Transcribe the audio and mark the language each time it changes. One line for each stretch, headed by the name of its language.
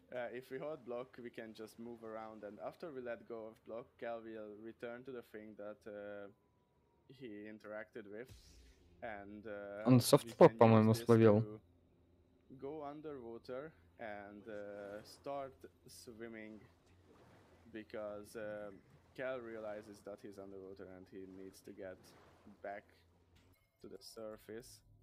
English: If we hold block, we can just move around, and after we let go of block, Cal will return to the thing that he interacted with, and
Russian: он софтблок, по-моему, словил.
English: go underwater and start swimming, because Cal realizes that he's underwater and he needs to get back to the surface.